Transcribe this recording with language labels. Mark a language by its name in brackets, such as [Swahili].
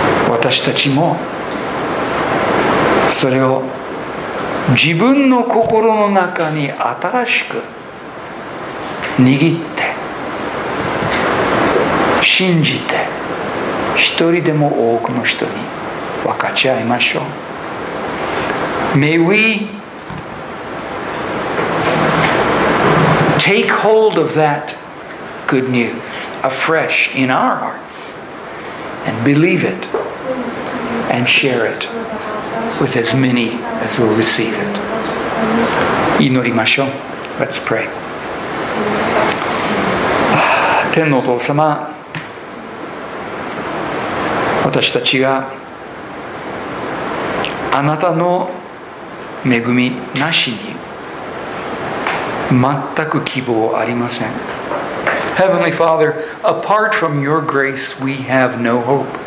[Japanese] 私たちもそれを自分の心の中に新しく握って信じて一人でも多くの人に分かち合いましょう。 [English] May weTake hold of that good news afresh in our hearts and believe it and share it with as many as will receive it. [Japanese] 祈りましょう。 [English] Let's pray. [Japanese] 天のお父様、私たちがあなたの恵みなしに全く希望ありません。 [English] Heavenly Father, apart from your grace, we have no hope.